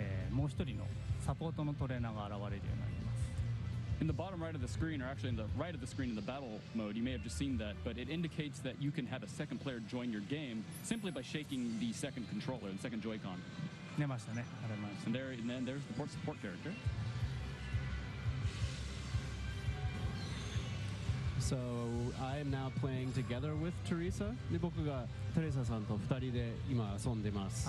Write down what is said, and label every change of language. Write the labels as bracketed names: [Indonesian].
[Japanese] もう一人のサポートのトレーナーが現れるようになります。 [English] In the bottom right of the screen, or actually in the right of the screen in the battle mode, you may have just seen that, but it indicates that you can have a second player join your game simply by shaking the second controller, the second Joy-Con. [Japanese] 出ましたね。あれました。 [English] And there, and then there's the port support character. So I am now playing together with Teresa. [Japanese] で、僕がテレサさんと二人で今遊んでます。